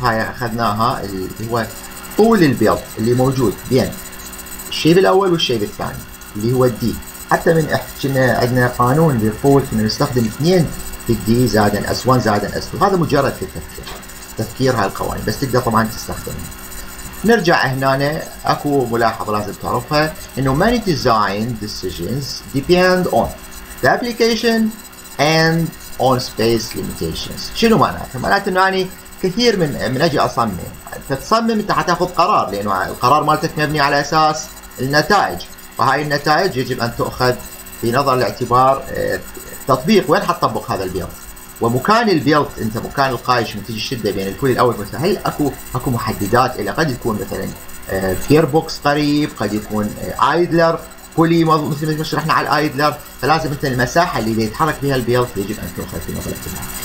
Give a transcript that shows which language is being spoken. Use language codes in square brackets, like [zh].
[ar] هاي اخذناها اللي هو طول البيلت اللي موجود بين الشيب الاول والشيب الثاني اللي هو الدي. حتى من احنا عندنا قانون بيقول ان نستخدم 2 في الدي زائد اس 1 زائد اس 2. هذا مجرد في التفكير، تفكير هاي القوانين، بس تقدر طبعا تستخدمها. نرجع هنا، اكو ملاحظه لازم تعرفها انه [en] many design decisions depend on the application and on space limitations. [ar] شنو معناته؟ معناته انه يعني كثير من اجي اصمم، تتصمم انت حتاخذ قرار لانه القرار مالتك مبني على اساس النتائج، فهاي النتائج يجب ان تؤخذ في نظر الاعتبار تطبيق وين حتطبق هذا البيض، ومكان البيلت انت مكان القايش من تجي الشده بين الكل الاول مثلا، هل اكو محددات الى قد يكون مثلا فير بوكس قريب، قد يكون ايدلر كلي مثل ما شرحنا على الايدلر، فلازم انت المساحه اللي يتحرك بها البيلت يجب ان تاخذ في نظر الاعتبار.